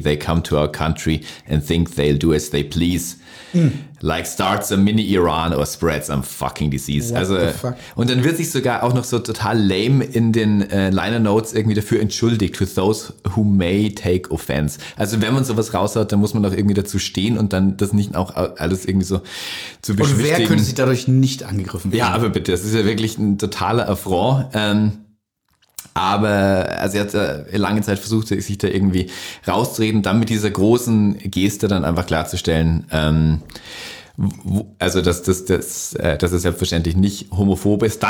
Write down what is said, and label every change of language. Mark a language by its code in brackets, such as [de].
[en] They come to our country and think they'll do as they please. Mm. Like starts a mini Iran or spreads some fucking disease. What [de] also, [en] the fuck? [de] Und dann wird sich sogar auch noch so total lame in den Liner Notes irgendwie dafür entschuldigt. [en] To those who may take offense. [de] Also wenn man sowas raushaut, dann muss man auch irgendwie dazu stehen und dann das nicht auch alles irgendwie so zu beschwichtigen. Und wer könnte sich dadurch nicht angegriffen werden? Ja, aber bitte, das ist ja wirklich ein totaler Affront. Aber also er hat lange Zeit versucht, sich da irgendwie rauszureden, dann mit dieser großen Geste dann einfach klarzustellen, dass er selbstverständlich nicht homophob ist.